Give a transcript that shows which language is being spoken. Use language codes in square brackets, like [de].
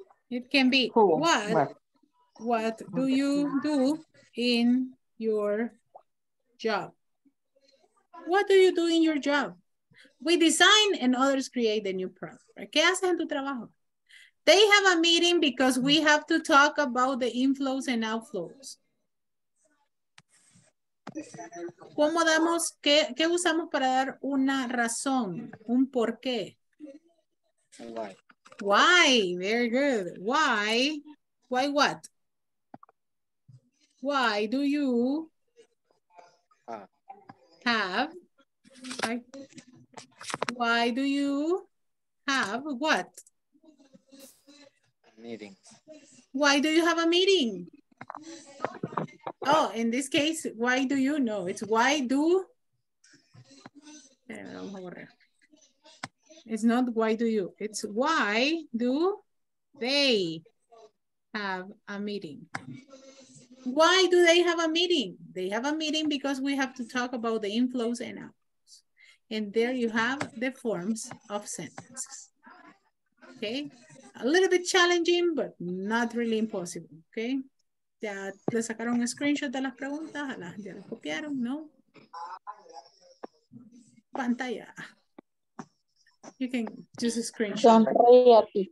[en] It can be cool. What do you do in your job? What do you do in your job? We design and others create the new product. [es] ¿Qué hacen tu trabajo? [en] They have a meeting because we have to talk about the inflows and outflows. [es] ¿Cómo damos, qué usamos para dar una razón, un porqué? [en] Why? Very good. Why what? Why do you have? Why do you have what? A meeting. Why do you have a meeting? Oh, in this case, why do you know? It's why do. It's not why do you. It's why do they have a meeting? Why do they have a meeting? They have a meeting because we have to talk about the inflows and outflows. And there you have the forms of sentences. Okay, a little bit challenging, but not really impossible. [es] Okay, ya le sacaron un screenshot de las preguntas, ya las copiaron, ¿no? [en] Pantalla. You can just a screenshot.